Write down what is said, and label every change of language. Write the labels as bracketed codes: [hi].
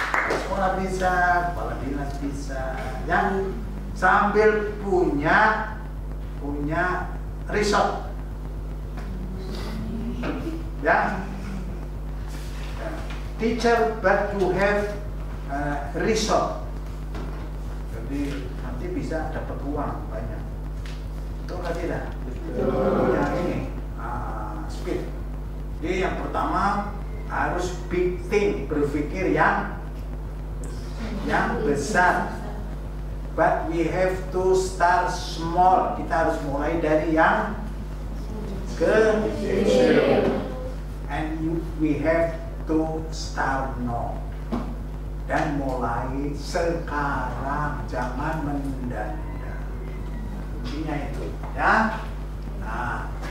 [id] Sekolah bisa, kepala dinas bisa, yang sambil punya punya resort ya, [en] teacher but you have resort, [id] jadi nanti bisa dapat uang banyak. Itu kan tidak punya ini speed. Jadi yang pertama harus big thing, berpikir yang besar. [en] But we have to start small. [id] Kita harus mulai dari yang kecil. [en] And we have to start now. [id] Dan mulai sekarang, jangan menunda-nunda. Kuncinya itu, ya. Nah,